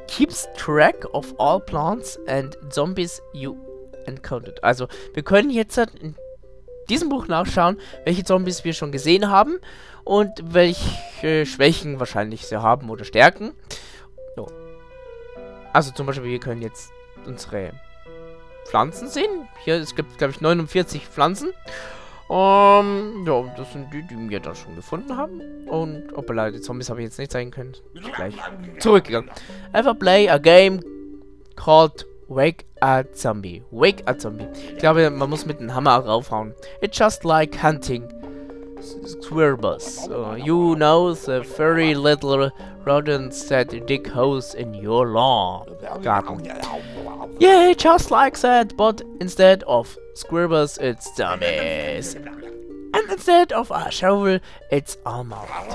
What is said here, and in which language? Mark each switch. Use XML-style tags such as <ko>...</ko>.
<en>Keeps track of all plants and zombies you encountered.</en> <de>Also, wir können jetzt in diesem Buch nachschauen, welche Zombies wir schon gesehen haben und welche Schwächen wahrscheinlich sie haben oder Stärken. So. Also zum Beispiel, wir können jetzt unsere Pflanzen sehen. Hier, es gibt, glaube ich, 49 Pflanzen. Ja, das sind die, die wir da schon gefunden haben. Und, ob er leider die Zombies habe ich jetzt nicht zeigen können. Ich bin gleich zurückgegangen.</de> <en>Ever play a game called Wake a Zombie. Wake a Zombie.</en> <de>Ich glaube, man muss mit dem Hammer raufhauen.</de> <en>It's just like hunting squirrels. You know the furry little rodents that dig holes in your lawn. Garden. Yeah, just like that, but instead of squirrels, it's zombies. And instead of a shovel, it's a mallet.</en>